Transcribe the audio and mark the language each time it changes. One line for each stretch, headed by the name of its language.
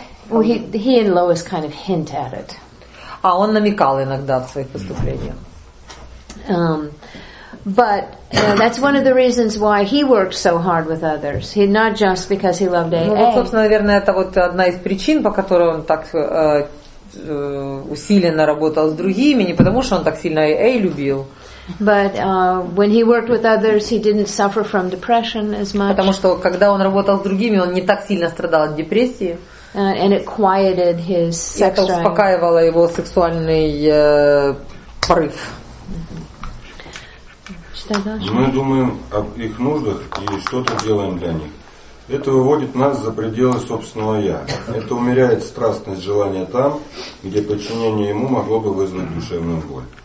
English: He and Lois kind of hint at it.
Russian: А он намекал иногда в своих выступлениях.
English: But that's one of the reasons why he worked so hard with others. He not just because he loved AA.
Russian: Ну, вот, собственно, наверное, это вот одна из причин, по которой он так усиленно работал с другими, не потому что он так сильно AA любил.
English: But when he worked with others, he didn't suffer from depression as much.
Russian: Потому что когда он работал с другими, он не так сильно страдал от депрессии.
English: And it quieted his sex drive.
Russian: Это успокаивало его сексуальный порыв. Мы думаем об их нуждах и что-то делаем для них. Это выводит нас за пределы собственного «я». Это умеряет страстность желания там, где подчинение ему могло бы вызвать душевную боль.